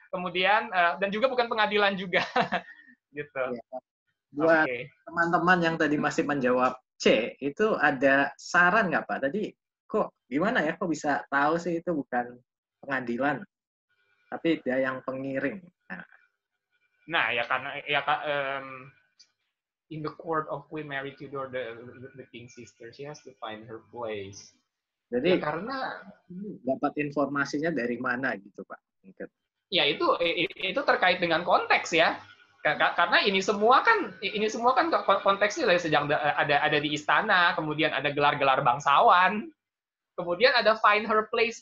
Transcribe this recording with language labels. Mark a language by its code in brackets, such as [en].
[id] Kemudian dan juga bukan pengadilan juga. Gitu. Buat okay. Teman-teman yang tadi masih menjawab C, itu ada saran nggak Pak? Tadi kok gimana ya, kok bisa tahu sih itu bukan pengadilan, tapi dia yang pengiring. Nah ya karena ya [en] in the court of Queen Mary Tudor, the King's sister, she has to find her place. [id] Jadi ya, karena dapat informasinya dari mana gitu Pak? Ya itu terkait dengan konteks ya. Karena ini semua kan konteksnya sejak ada di istana, kemudian ada gelar-gelar bangsawan, kemudian ada find her place.